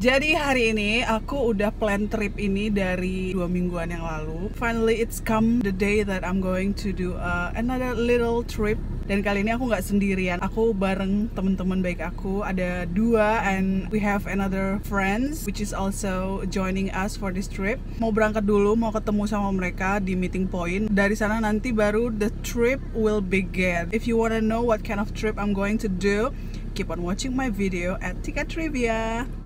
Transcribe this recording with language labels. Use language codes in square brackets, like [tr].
[id] Jadi hari ini aku udah plan trip ini dari 2 mingguan yang lalu. [en] Finally it's come the day that I'm going to do another little trip. [id] Dan kali ini aku gak sendirian, aku bareng teman-teman baik aku. Ada 2 [en] and we have another friends which is also joining us for this trip. [id] Mau berangkat dulu, mau ketemu sama mereka di meeting point. Dari sana nanti baru [en] the trip will begin. If you wanna know what kind of trip I'm going to do, keep on watching my video at Tiket Trivia.